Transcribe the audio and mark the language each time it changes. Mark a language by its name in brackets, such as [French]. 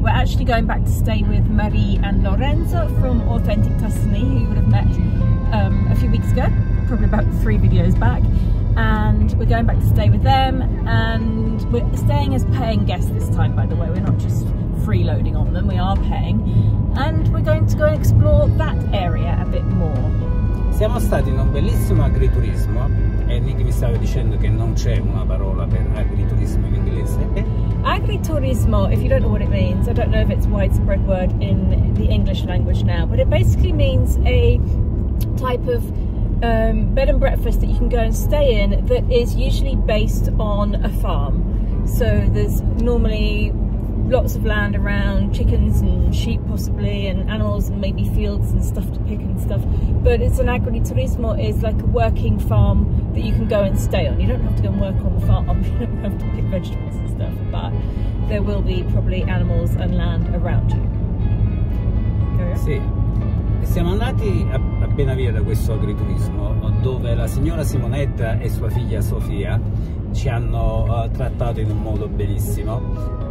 [English] We're actually going back to stay with Marie and Lorenzo from Authentic Tuscany, who you would have met a few weeks ago, probably about three videos back. And we're going back to stay with them, and we're staying as paying guests this time, by the way. We're not just freeloading on them, we are paying. And we're going to go and explore that area a bit more. [Italian] Siamo stati in un bellissimo agriturismo e Nicki mi stava dicendo che non c'è una parola per agriturismo in inglese. [English] Agriturismo, if you don't know what it means, I don't know if it's a widespread word in the English language now, but it basically means a type of bed and breakfast that you can go and stay in that is usually based on a farm. So there's normally lots of land around, chickens and sheep possibly, and animals and maybe fields and stuff to pick and stuff. But it's an agriturismo, is like a working farm that you can go and stay on. You don't have to go and work on the farm, you don't have to pick vegetables and stuff, but there will be probably animals and land around you. [Italian] Sì. Siamo andati appena via da questo agriturismo, dove la signora Simonetta e sua figlia Sofia ci hanno trattato in un modo bellissimo.